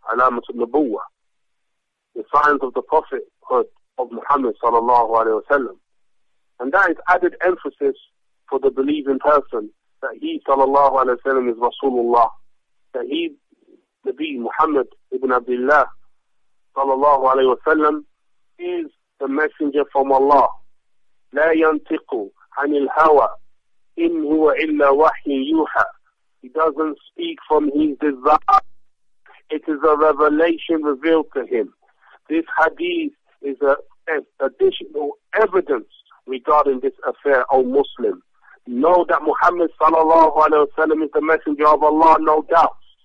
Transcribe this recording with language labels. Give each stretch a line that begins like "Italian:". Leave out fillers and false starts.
English: Alamat al-nubuwa, the signs of the prophethood of Muhammad sallallahu alayhi wa sallam. And that is added emphasis for the believing person that he sallallahu alayhi wa sallam is Rasulullah, that he, Nabi Muhammad ibn Abdullah sallallahu alayhi wa sallam, is the messenger from Allah.
Arabic: لا ينطقوا عن الهوى إن هو إلا وحي يوحى.
English: He doesn't speak from his desire. It is a revelation revealed to him. This hadith is an additional evidence regarding this affair, O Muslim. Know that Muhammad sallallahu alayhi wa sallam is the messenger of Allah, no doubt.